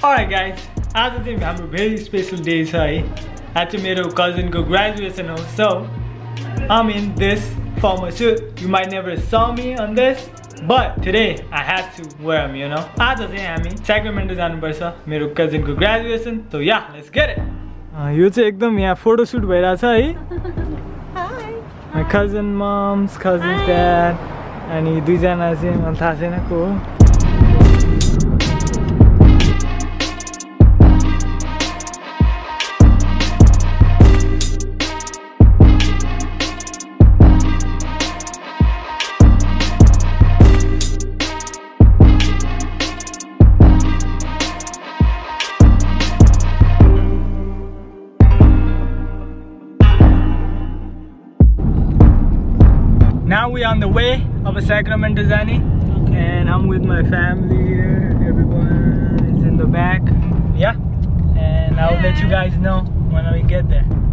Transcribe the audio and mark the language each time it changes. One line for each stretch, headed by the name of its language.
English: Alright guys, as I think we have a very special day, sorry.
Nepali: Achi mero cousin ko graduation ho.
English: So I'm in this formal suit. You might never saw me on this, but today I had to wear them, you know. As I think I'm in Sacramento
Nepali: janu parcha, mero cousin ko graduation.
English: So yeah, let's get it.
Nepali: यो चाहिँ एकदम यहाँ photo shoot भइरहेछ है cousin mums cousin dad अनि दुईजना चाहिँ मलाई थाहा छैन को हो
English: on the way of a Sacramento Zani. Okay. And I'm with my family here. Everyone is in the back. Yeah. And I'll let you guys know when we get there.